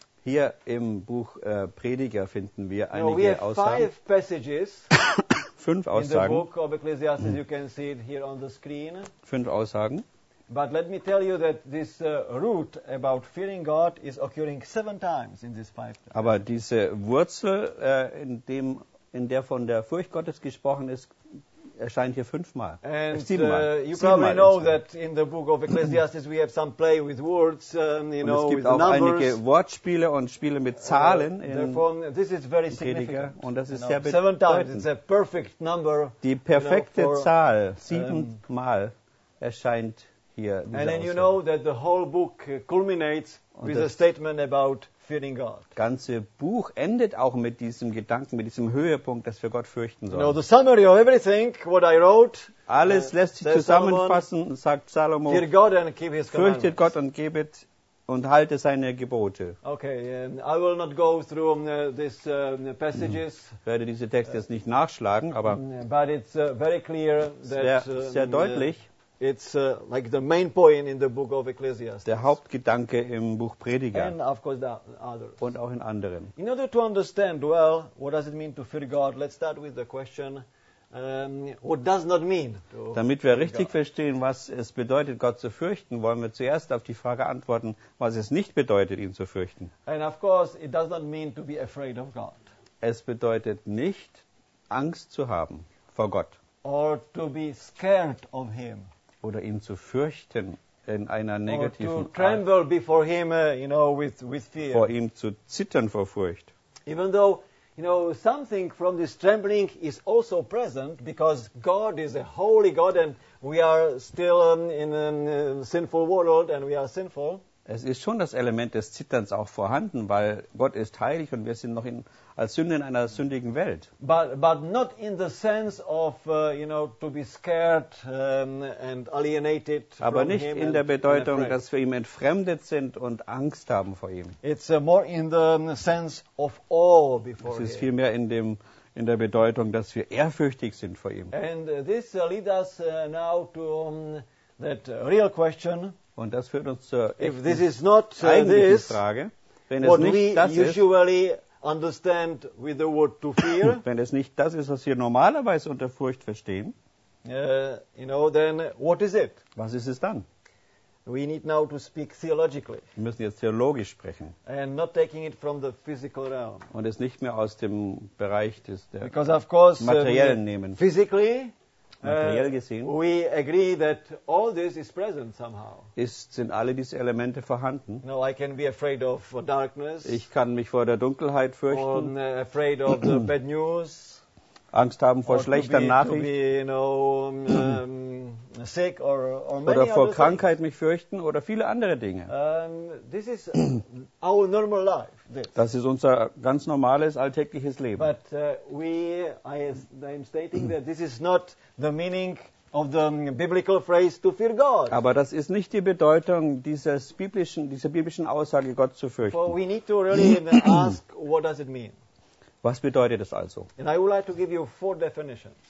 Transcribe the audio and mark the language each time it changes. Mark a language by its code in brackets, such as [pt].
[de] Hier im Buch Prediger finden wir einige [en] we have [de] Aussagen. [en] Five passages [de] fünf Aussagen. [en] In the book of Ecclesiastes, you can see it here on the screen. [de] Fünf Aussagen. [en] But let me tell you that this root about fearing God is occurring seven times in these five. [de] Aber diese Wurzel, in der von der Furcht Gottes gesprochen ist, erscheint hier fünfmal. [en] And, [de] siebenmal. [en] You probably know that in the book of Ecclesiastes we have some play with words, you know, with numbers. [de] Es gibt auch einige Wortspiele und Spiele mit Zahlen [en] this is very significant. [de] Und das ist sehr [en] seven times, it's a perfect number. [de] Die perfekte Zahl, siebenmal, erscheint hier. [en] And then you know that the whole book culminates with a statement about fearing God. [de] Das ganze Buch endet auch mit diesem Gedanken, mit diesem Höhepunkt, dass wir Gott fürchten sollen. [en] You know, the summary of everything, what I wrote, [de] alles lässt sich zusammenfassen, sagt Salomo, [en] fear God and keep his [de] fürchtet Gott und gebet und halte seine Gebote. [en] Okay, I will not go through these passages. [de] Ich werde diese Texte jetzt nicht nachschlagen, aber [en] but it's very clear that, [de] sehr deutlich, [en] it's like the main point in the book of Ecclesiastes. [de] Der Hauptgedanke im Buch Prediger. [en] And of course the others. [de] Und auch in anderen. [en] In order to understand well what does it mean to fear God, let's start with the question what does not mean to [de] damit wir richtig God. Verstehen, was es bedeutet, Gott zu fürchten, wollen wir zuerst auf die Frage antworten, was es nicht bedeutet, ihn zu fürchten. [en] And of course it does not mean to be afraid of God. [de] Es bedeutet nicht, Angst zu haben vor Gott. [en] Or to be scared of him. [de] Oder ihn zu fürchten in einer negativen Art. [en] Or to tremble before him, you know, with fear. [de] Vor ihm zu zittern vor Furcht. [en] Even though, you know, something from this trembling is also present, because God is a holy God and we are still in a sinful world and we are sinful. [de] Es ist schon das Element des Zitterns auch vorhanden, weil Gott ist heilig und wir sind noch in als Sünder in einer sündigen Welt. [en] But not in the sense of you know to be scared and alienated. [de] Aber nicht in der Bedeutung, dass wir ihm entfremdet sind und Angst haben vor ihm. [en] It's more in the sense of awe before him. [de] Es ist vielmehr in der Bedeutung, dass wir ehrfürchtig sind vor ihm. [en] And this leads us now to that real question. [de] Und das führt uns zur eigentlichen Frage, wenn es nicht das ist, [en] understand with the word to fear. [de] Wenn es nicht das ist, was wir normalerweise unter Furcht verstehen, [en] you know, then what is it? [de] Was ist es dann? [en] We need now to speak theologically. [de] Wir müssen jetzt theologisch sprechen. [en] And not taking it from the physical realm. [de] Und es nicht mehr aus dem Bereich des der [en] because of course, [de] materiellen nehmen. [en] Physically, [de] materiell gesehen, [en] we agree that all this is present somehow. [de] Sind alle diese Elemente vorhanden? [en] No, I can be afraid of darkness. [de] Ich kann mich vor der Dunkelheit fürchten. [en] Afraid of the bad news. [de] Angst haben vor schlechter Nachricht. [en] To be, you know, sick or many [de] oder vor Krankheit things. Mich fürchten oder viele andere Dinge. [en] This is our normal life. [de] Das ist unser ganz normales alltägliches Leben. [en] But I am stating that this is not the meaning of the biblical phrase to fear God. [de] Aber das ist nicht die Bedeutung dieser biblischen Aussage, Gott zu fürchten. [en] For we need to really ask, what does it mean? [de] Was bedeutet das also? [en] And I would like to give you four definitions.